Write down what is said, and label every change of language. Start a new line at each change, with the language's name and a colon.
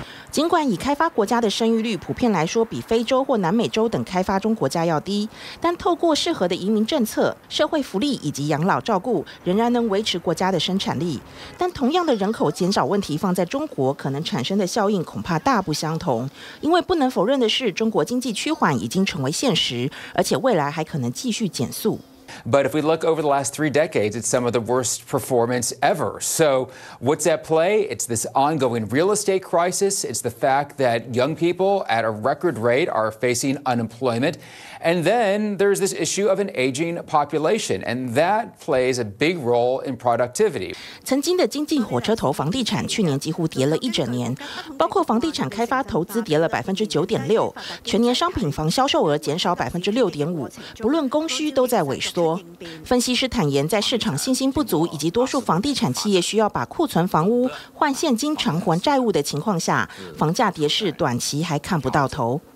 Chinese: 尽管以开发国家的生育率普遍来说比非洲或南美洲等开发中国家要低，但透过适合的移民政策、社会福利以及养老照顾，仍然能维持国家的生产力。但同样的人口减少问题放在中国，可能产生的效应恐怕大不相同。因为不能否认的是，中国经济趋缓已经成为现实，而且未来还可能继续减速。
English: But if we look over the last 3 decades, it's some of the worst performance ever. So what's at play? It's this ongoing real estate crisis. It's the fact that young people at a record rate are facing unemployment. And then there's this issue of an aging population. And that plays a big role in productivity.
Chinese: 曾经的经济火车头房地产去年几乎跌了一整年，包括房地产开发投资跌了9.6%，全年商品房销售额减少6.5%，不论供需都在萎缩。分析师坦言，在市场信心不足以及多数房地产企业需要把库存房屋换现金偿还债务的情况下，房价跌势短期还看不到头。